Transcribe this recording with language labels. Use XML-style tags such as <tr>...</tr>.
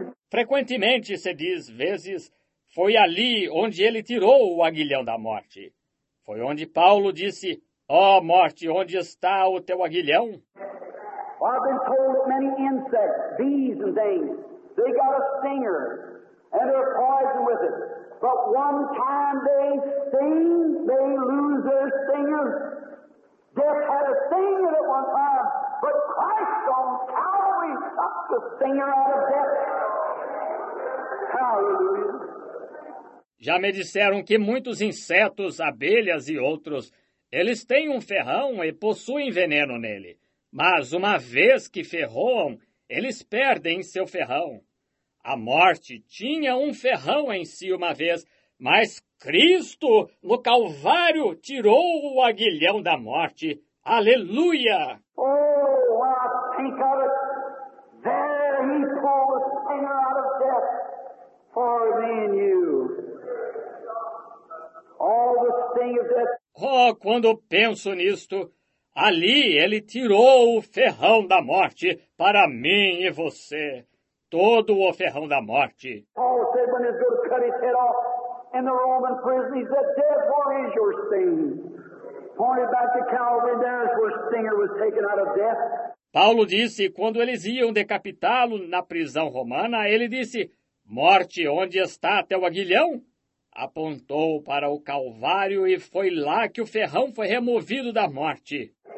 <pt>Frequentemente, se diz, vezes, foi ali onde ele tirou o aguilhão da morte. Foi onde Paulo disse, ó morte, onde está o teu aguilhão?</pt> <en>I've been told that many insects, bees and things, they got a stinger and they're poison with it. But one time they sting, they lose their stinger. Death had a stinger at one time, but Christ on Calvary sucked the stinger out of death. Hallelujah.</en> <pt>Já me disseram que muitos insetos, abelhas e outros, eles têm um ferrão e possuem veneno nele, mas uma vez que ferroam, eles perdem seu ferrão. A morte tinha um ferrão em si uma vez, mas Cristo, no Calvário, tirou o aguilhão da morte. Aleluia!</pt> <en>Oh, I think of it. There he pulled the stinger out of death for me and you. All the sting of death.</en> <pt>Oh, quando penso nisto, ali ele tirou o ferrão da morte para mim e você. Todo o ferrão da morte.</pt> <en>Paul said when he was going to cut his head off in the Roman prison, he said, death, what is your sting? Pointed back to Calvary, there's where stinger was taken out of death.</en> <pt>Paulo disse, quando eles iam decapitá-lo na prisão romana, ele disse, morte, onde está teu aguilhão? Apontou para o Calvário e foi lá que o ferrão foi removido da morte.</pt>